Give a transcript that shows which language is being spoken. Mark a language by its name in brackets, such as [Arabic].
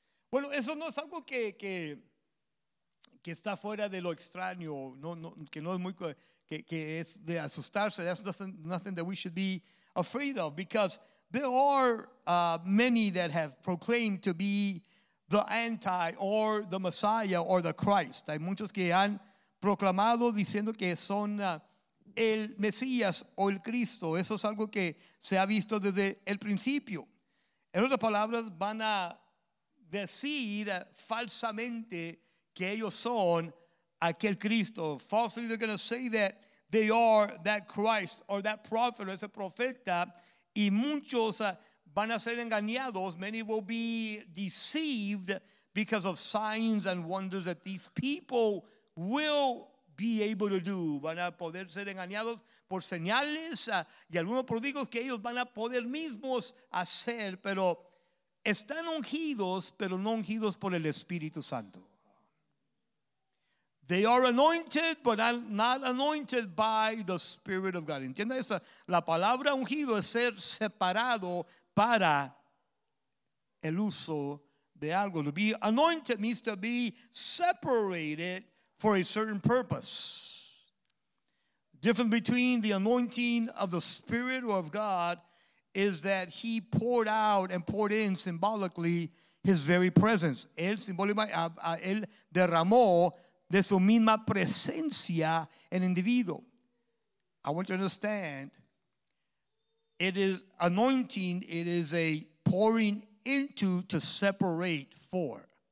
[Spanish] Bueno, eso no es algo que está fuera de lo extraño, que es de asustarse. [English] That's nothing that we should be afraid of, because there are many that have proclaimed to be the anti or the Messiah or the Christ. [Spanish] Hay muchos que han proclamado diciendo que son el Mesías o el Cristo. Eso es algo que se ha visto desde el principio. En otras palabras, van a decir falsamente que ellos son aquel Cristo. [English] Falsely, they're going to say that they are that Christ or that prophet or [Spanish] ese profeta. Y muchos van a ser engañados. [English] Many will be deceived because of signs and wonders that these people will be able to do. [Spanish] Van a poder ser engañados por señales y algunos prodigios que ellos van a poder mismos hacer, pero están ungidos, pero no ungidos por el Espíritu Santo. [English] They are anointed, but not anointed by the Spirit of God. [Spanish] ¿Entiende eso? La palabra ungido es ser separado para el uso de algo. [English] To be anointed means to be separated for a certain purpose. Difference between the anointing of the Spirit or of God is that he poured out and poured in symbolically his very presence. [Spanish] Él simbólicamente, él derramó de su misma presencia en individuo. [English] I want you to understand, it is anointing, it is a pouring into to separate for.